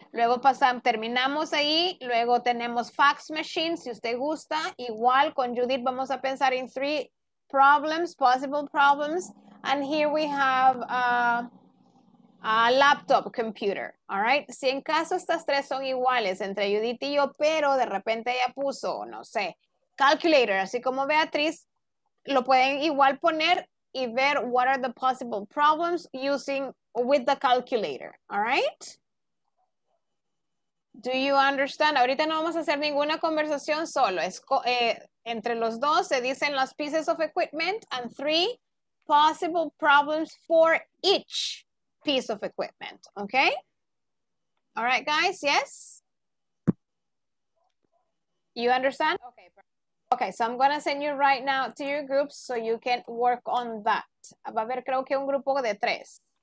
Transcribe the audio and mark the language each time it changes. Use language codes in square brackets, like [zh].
[es] Luego pasamos, terminamos ahí, luego tenemos fax machine, si usted gusta. Igual, con Judith vamos a pensar en [en] three problems, possible problems. And here we have a laptop computer, all right? [es] Si en caso estas tres son iguales entre Judith y yo, pero de repente ella puso, no sé, calculator, así como Beatriz, lo pueden igual poner y ver [en] what are the possible problems using with the calculator, all right? Do you understand? [es] Ahorita no vamos a hacer ninguna conversación solo. Entre los dos se dicen las [en] pieces of equipment and three possible problems for each piece of equipment, okay? All right, guys, yes? You understand? Okay, okay, so I'm gonna send you right now to your groups so you can work on that. [es] Va a haber creo que un grupo de tres.